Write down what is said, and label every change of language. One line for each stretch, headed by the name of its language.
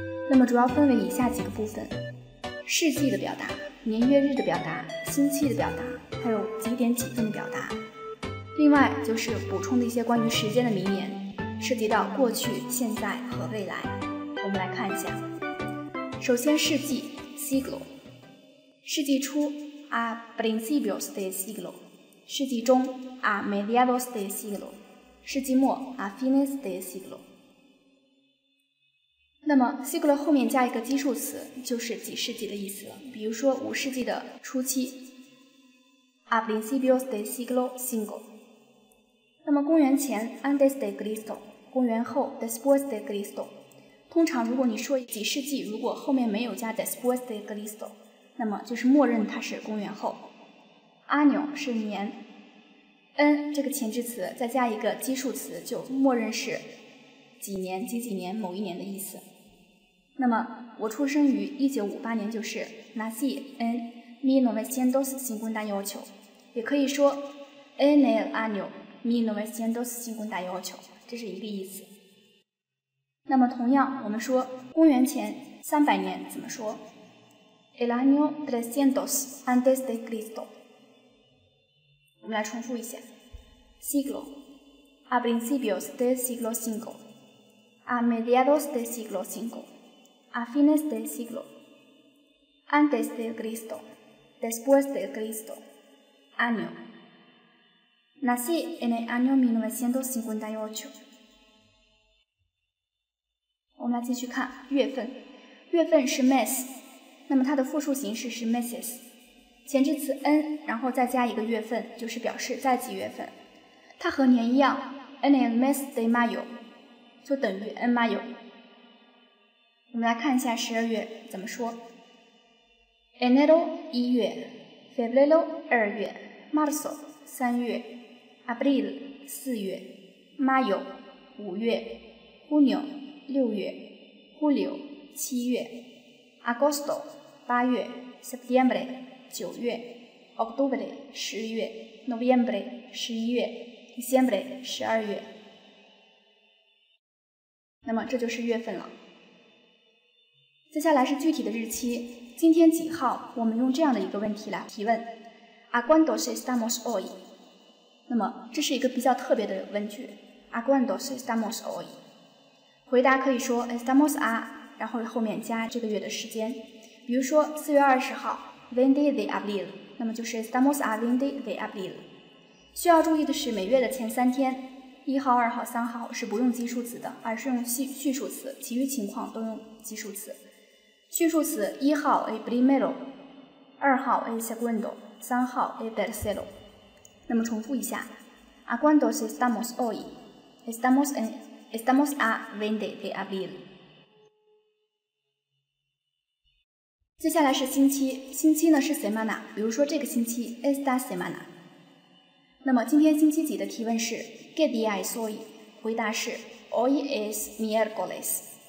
Chinese: 那么主要分为以下几个部分：世纪的表达、年月日的表达、星期的表达，还有几点几分的表达。另外就是补充的一些关于时间的名言，涉及到过去、现在和未来。我们来看一下。首先，世纪 siglo， 世纪初
Spanish: a principios de siglo，
Chinese: 世纪中
Spanish: a mediados de siglo，
Chinese: 世纪末
Spanish: a fines de siglo。
Chinese: 那么 siglo 后面加一个基数词，就是几世纪的意思了。比如说五世纪的初期
Spanish: a principios de siglo cinco。
Chinese: 那么公元前
Spanish: antes de Cristo，
Chinese: 公元后
Spanish: después de Cristo。
Chinese: 通常如果你说几世纪，如果后面没有加
Spanish: después de Cristo，
Chinese: 那么就是默认它是公元后。 año 是年， n 这个前置词再加一个基数词，就默认是几年几几年某一年的意思。那么我出生于1958年，就是
Spanish: nací en 1958，
Chinese: 也可以说
Spanish: en el año 1958，
Chinese: 这是一个意思。那么同样我们说公元前300年怎么说？
Spanish: El año 300 antes de Cristo。
Chinese: 我们来重复一下，
Spanish: siglo a principios de siglo cinco a mediados de siglo cinco a fines de siglo antes de Cristo después de Cristo año nací en el año 1958。
Chinese: 我们来继续看月份，月份是 mes， 那么它的复数形式是 meses， 前置词 n， 然后再加一个月份，就是表示在几月份。它和年一样 ，
Spanish: en el mes de mayo，
Chinese: 就等于
Spanish: en mayo。
Chinese: 我们来看一下十二月怎么说 ：enero 一月 ，febrero 二月 ，marzo 三月 ，abril 四月 ，mayo 五月 ，junio 六月 ，Julio 七月 ，Agosto 八月 ，Septiembre 九月 ，Octubre 十月 ，Noviembre 十一月 ，Diciembre 十二月。那么这就是月份了。接下来是具体的日期，今天几号？我们用这样的一个问题来提问 ：
Spanish: A cuándo estamos hoy？
Chinese: 那么这是一个比较特别的问句 ：
Spanish: A cuándo estamos hoy？
Chinese: 回答可以说
Spanish: estamos a，
Chinese: 然后后面加这个月的时间。比如说4月20号 20 de abril， 那么就是
Spanish: estamos a 20 de abril。
Chinese: 需要注意的是，每月的前三天1号2号3号是不用基数词的，而是用序数词，其余情况都用基数词。序数词1号 el primero， 2号 el segundo， 3号 el tercero。那么重复一下
Spanish: a cuando estamos hoy estamos enEstamos a 20 de abril。
Chinese: 接下来是星期，星期呢是 semana， 比如说这个星期
Spanish: esta semana。
Chinese: 那么今天星期几的提问是
Spanish: ¿Qué día es hoy？
Chinese: 回答是
Spanish: Hoy es miércoles。